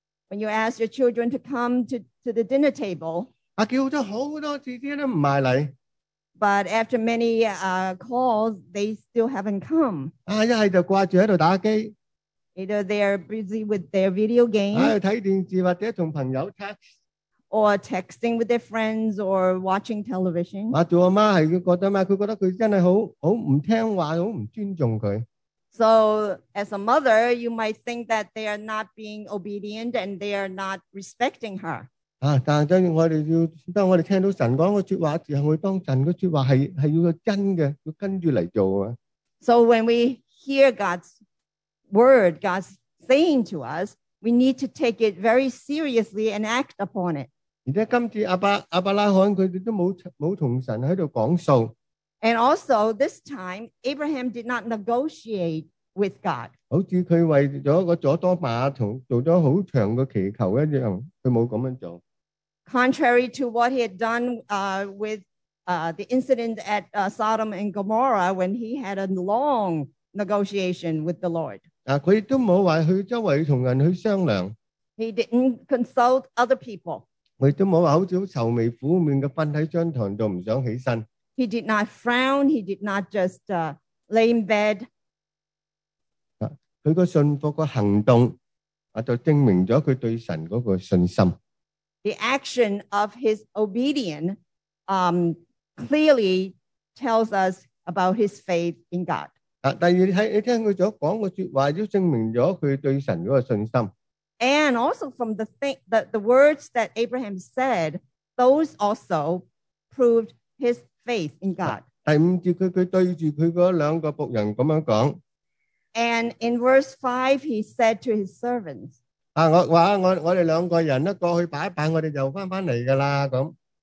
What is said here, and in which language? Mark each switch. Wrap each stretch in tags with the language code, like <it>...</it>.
<en>When you ask your children to come to the dinner table.</en> <yue>啊，叫咗好多次啲都唔埋嚟。</yue> <en>But after many calls, they still haven't come.</en> <yue>啊，一系就挂住喺度打机。</yue> <en>Either they're busy with their video game.</en> <yue>喺度睇电视或者同朋友 text.</yue> <en>Or texting with their friends or watching television.</en> <yue>啊，做阿妈系佢觉得咩？佢觉得佢真系好唔听话，好唔尊重佢。</yue> <en>So as a mother, you might think that they are not being obedient and they are not respecting her.</en> <yue>啊！但系当我哋要，当我哋听到神讲个说话时候，会当神个说话系要真嘅，要跟住嚟做啊。</yue> <en>So when we hear God's word, God's saying to us, we need to take it very seriously and act upon it.</en> <yue>而且今次亚伯拉罕佢哋都冇同神喺度讲数。</yue> <en>And also this time, Abraham did not negotiate with God.</en> <yue>好似佢为咗个佐多玛同做咗好长个祈求一样，佢冇咁样做。</yue> <en>Contrary to what he had done with the incident at Sodom and Gomorrah when he had a long negotiation with the Lord.</en> <yue>啊，佢都冇话去周围同人去商量。</yue> <en>He didn't consult other people.</en> <yue>佢都冇话好似好愁眉苦面嘅瞓喺张床度唔想起身。</yue> <en>He did not frown. He did not just lay in bed.</en> <yue>啊，佢个信服个行动啊，就证明咗佢对神嗰个信心。</yue> <en>The action of his obedience clearly tells us about his faith in God.</en> <yue>第二，你听佢所讲嘅说话，都证明咗佢对神嗰个信心。</yue> <en>And also from the words that Abraham said, those also proved his faith in God.</en> <yue>第五节，佢对住佢嗰两个仆人咁样讲。</yue> <en>And in verse 5, he said to his servants, 啊！</en> <yue>我话我哋两个人咧过去摆一摆，我哋就翻翻嚟噶啦咁。</yue>